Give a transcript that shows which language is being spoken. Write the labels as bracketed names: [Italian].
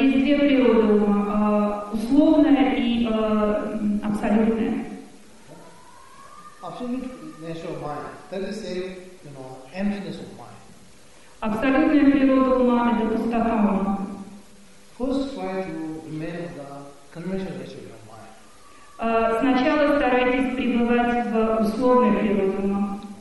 [Russian] Есть две природы ума, условная и абсолютная. [English] Absolute nature of mind. That is say, you know, emptiness of mind. [Russian] Абсолютная природа ума – это пустота ума. [English] First, try to remain in the conventional nature of your mind. [Russian] Сначала старайтесь пребывать в условной природе ума.